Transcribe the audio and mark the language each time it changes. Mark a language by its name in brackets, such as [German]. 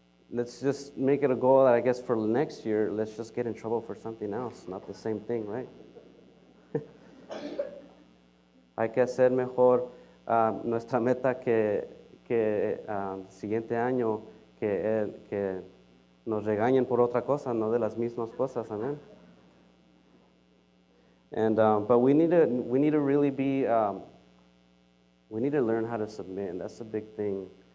[English] Let's just make it a goal that, I guess, for next year, let's just get in trouble for something else, not the same thing, right? [Spanish] Hay que hacer mejor nuestra meta que siguiente año que nos regañen por otra cosa, no de las mismas cosas, amen. [English] And but we need to really be we need to learn how to submit, and that's a big thing.